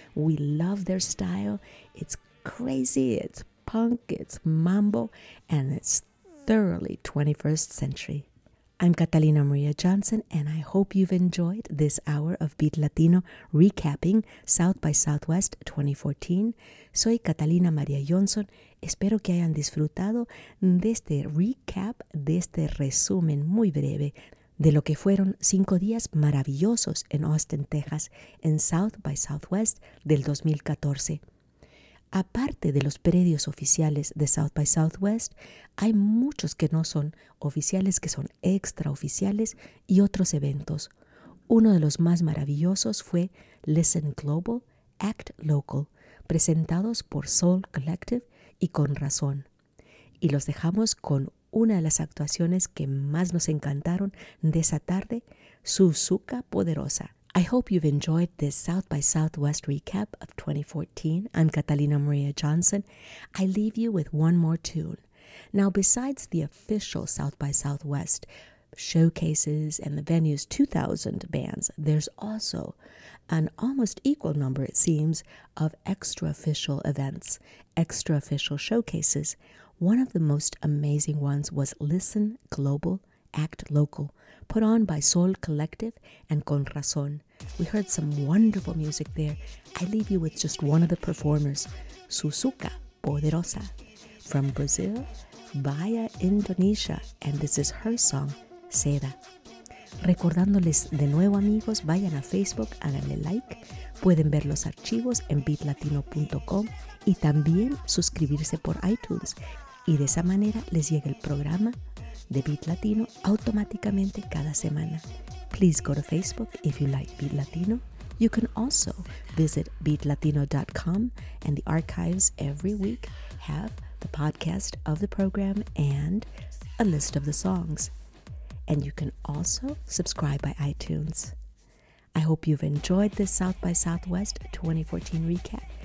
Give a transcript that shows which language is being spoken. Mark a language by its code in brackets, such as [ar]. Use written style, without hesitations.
[en] We love their style. It's crazy, it's punk, it's mambo, and it's thoroughly 21st century. I'm Catalina Maria Johnson, and I hope you've enjoyed this hour of Beat Latino recapping South by Southwest 2014. [es] Soy Catalina Maria Johnson. Espero que hayan disfrutado de este recap, de este resumen muy breve de lo que fueron 5 días maravillosos en Austin, Texas, en South by Southwest del 2014. Aparte de los predios oficiales de South by Southwest, hay muchos que no son oficiales, que son extraoficiales y otros eventos. Uno de los más maravillosos fue Listen Global, Act Local, presentados por Soul Collective y Con Razón. Y los dejamos con una de las actuaciones que más nos encantaron de esa tarde, Suzuka Poderosa. [en] I hope you've enjoyed this South by Southwest recap of 2014. I'm Catalina Maria Johnson. I leave you with one more tune. Now, besides the official South by Southwest showcases and the venue's 2,000 bands, there's also an almost equal number, it seems, of extra official events, extra official showcases. One of the most amazing ones was Listen Global, Act Local, put on by Soul Collective and Con Razón. We heard some wonderful music there. I leave you with just one of the performers, Suzuka Poderosa, from Brazil via Indonesia, and this is her song, Seda. [es] Recordándoles de nuevo, amigos, vayan a Facebook, háganle like, pueden ver los archivos en beatlatino.com y también suscribirse por iTunes. Y de esa manera les llega el programa de Beat Latino automáticamente cada semana. [en] Please go to Facebook if you like Beat Latino. You can also visit beatlatino.com, and the archives every week have the podcast of the program and a list of the songs. And you can also subscribe by iTunes. I hope you've enjoyed this South by Southwest 2014 recap.